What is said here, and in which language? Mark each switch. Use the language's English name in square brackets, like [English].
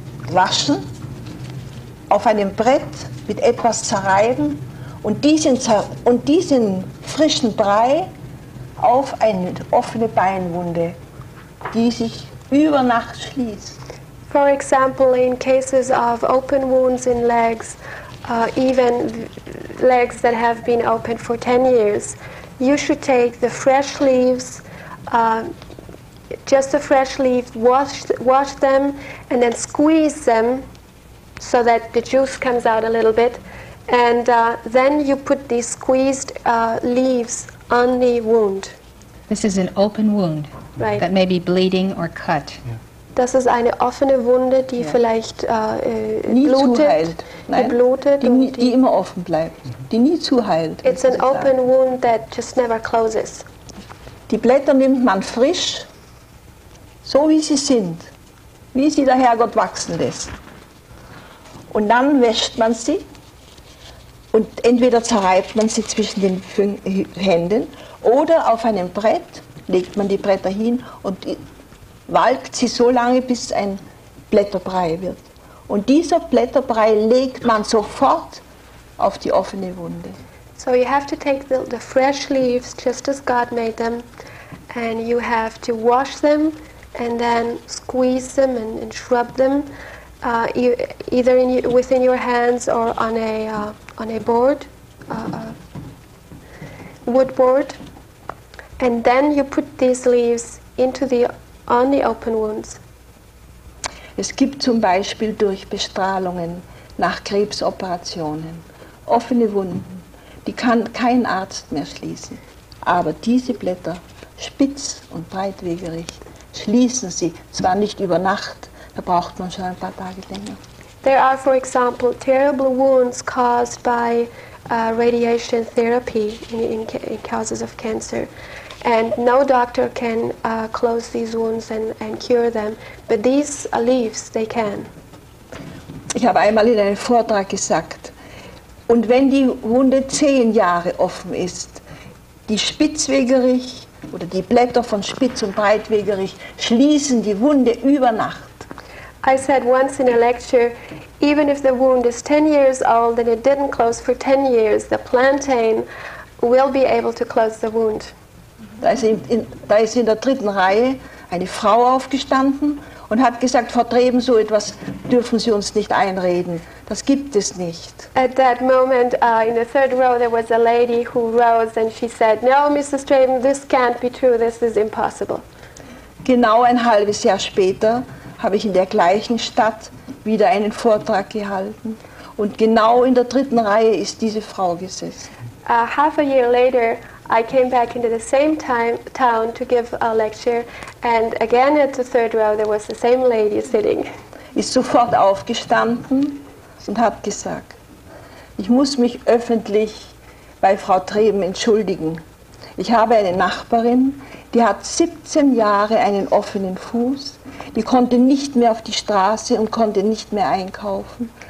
[German] Waschen, auf einem Brett mit etwas zerreiben und diesen frischen Brei auf eine offene Beinwunde, die sich über Nacht schließt. [English] For example, in cases of open wounds in legs, even legs that have been open for 10 years, you should take the fresh leaves, just the fresh leaves, wash them, and then squeeze them so that the juice comes out a little bit. And then you put these squeezed leaves on the wound. This is an open wound, right, that may be bleeding or cut. Yeah. [German] Das ist eine offene Wunde, die vielleicht blutet, nein, die blutet, die immer offen bleibt, die nie zuheilt. [English] It's an open wound that just never closes. [German] Die Blätter nimmt man frisch, so wie sie sind, wie sie der Herrgott wachsen lässt. Und dann wäscht man sie und entweder zerreibt man sie zwischen den Händen oder auf einem Brett legt man die Bretter hin und walkt sie so lange, bis ein Blätterbrei wird. Und dieser Blätterbrei legt man sofort auf die offene Wunde. [English] So you have to take the fresh leaves, just as God made them, and you have to wash them, and then squeeze them and shrub them, either within your hands or on a board, wood board. And then you put these leaves into the on the open wounds. [German] Es gibt zum Beispiel durch Bestrahlungen nach Krebsoperationen offene Wunden, die kann kein Arzt mehr schließen. Aber diese Blätter, spitz und breitwegerig, schließen sie. Zwar nicht über Nacht, da braucht man schon ein paar Tage länger. [English] There are, for example, terrible wounds caused by radiation therapy in causes of cancer. And no doctor can close these wounds and cure them, but these leaves, they can. [German] Ich habe einmal in einem Vortrag gesagt, und wenn die Wunde 10 Jahre offen ist, die spitzwegerig oder die Blätter von spitz und breitwegerig schließen die Wunde über Nacht. [English] I said once in a lecture, even if the wound is 10 years old and it didn't close for 10 years, the plantain will be able to close the wound. [German] Da ist in der dritten Reihe eine Frau aufgestanden und hat gesagt, Frau Treben, so etwas dürfen Sie uns nicht einreden. Das gibt es nicht. [English] At that moment, in the third row, there was a lady who rose and she said, no, Mrs. Treben, this can't be true, this is impossible. [German] Genau ein halbes Jahr später habe ich in der gleichen Stadt wieder einen Vortrag gehalten. Und genau in der dritten Reihe ist diese Frau gesessen. [English] Half a year later, I came back into the same town to give a lecture, and again at the third row there was the same lady sitting. [German] Ist sofort aufgestanden und hat gesagt, ich muss mich öffentlich bei Frau Treben entschuldigen. Ich habe eine Nachbarin, die hat 17 Jahre einen offenen Fuß, die konnte nicht mehr auf die Straße und konnte nicht mehr einkaufen.